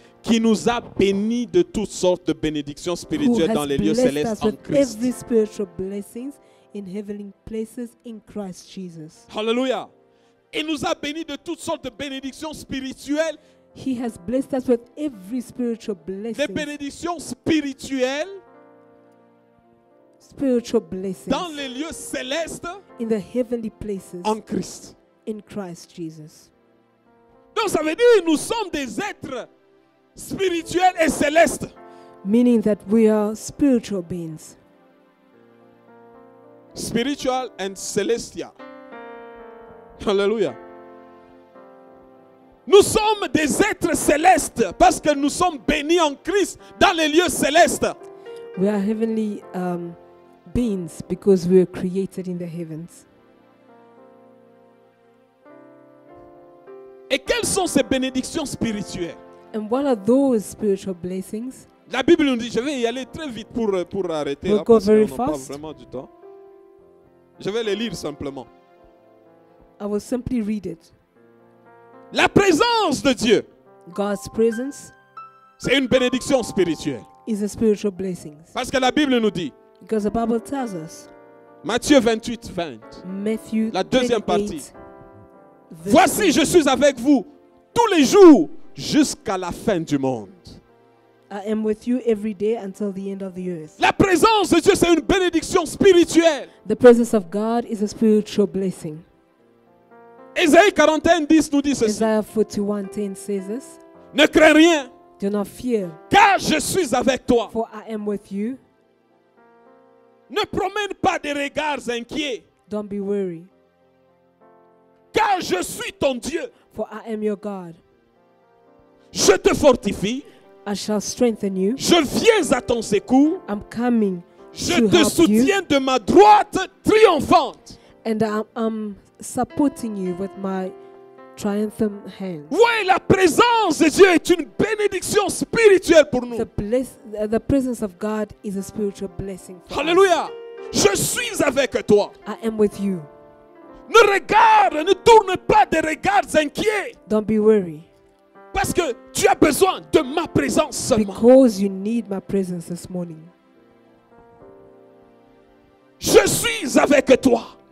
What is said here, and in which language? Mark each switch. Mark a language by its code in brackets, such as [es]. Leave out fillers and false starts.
[fr] qui nous a bénis de toutes sortes de bénédictions spirituelles dans les lieux célestes en Christ. [en] Every spiritual blessings in heavenly places in Christ Jesus. Hallelujah. [fr] Il nous a bénis de toutes sortes de bénédictions spirituelles. [en] He has blessed us with every spiritual blessing. [fr] Des bénédictions spirituelles. [en] Spiritual blessings. [fr] Dans les lieux célestes. [en] In the heavenly places. [fr] En Christ. [en] In Christ Jesus. [fr] Donc ça veut dire que nous sommes des êtres spirituels et célestes. [en] Meaning that we are spiritual beings. Spiritual and celestial. Hallelujah. [fr] Nous sommes des êtres célestes parce que nous sommes bénis en Christ dans les lieux célestes. [en] We are heavenly beings because we are created in the heavens. [fr] Et quelles sont ces bénédictions spirituelles? [en] And what are those spiritual blessings? [fr] La Bible nous dit, je vais y aller très vite pour arrêter [en] we'll [fr] là, parce qu'on n'a pas vraiment du temps. Je vais les lire simplement. [en] I will simply read it. [fr] La présence de Dieu. [en] God's presence. [fr] C'est une bénédiction spirituelle. [en] Is a spiritual blessing. [fr] Parce que la Bible nous dit. [en] Because the Bible tells us. [fr] Matthieu 28, 20. [en] Matthew [fr] la deuxième partie. Voici, je suis avec vous tous les jours jusqu'à la fin du monde. [en] I am with you every day until the end of the earth. [fr] La présence de Dieu, c'est une bénédiction spirituelle. [en] The presence of God is a spiritual blessing. [fr] Ésaïe 41, 10 nous dit ceci. [en] Isaiah 41, 10 says this. [fr] Ne crains rien. [en] Do not fear. [fr] Car je suis avec toi. [en] For I am with you. [fr] Ne promène pas des regards inquiets. [en] Don't be weary. [fr] Car je suis ton Dieu. [en] For I am your God. [fr] Je te fortifie. [en] I shall strengthen you. [fr] Je viens à ton secours. [en] I'm coming [fr] je [en] to [fr] te [en] help [fr] soutiens [en] you. [fr] De ma droite triomphante. [en] And I'm supporting you with my triumphant hand. [fr] Ouais, la présence de Dieu est une bénédiction spirituelle pour nous. [en] The presence of God is a spiritual blessing. [fr] Hallelujah. Je suis avec toi. [en] I am with you. [fr] Ne regarde, ne tourne pas des regards inquiets. [en] Don't be weary. [fr] Parce que tu as besoin de ma présence seulement. [en] Because you need my presence this morning. [fr] Je suis avec toi.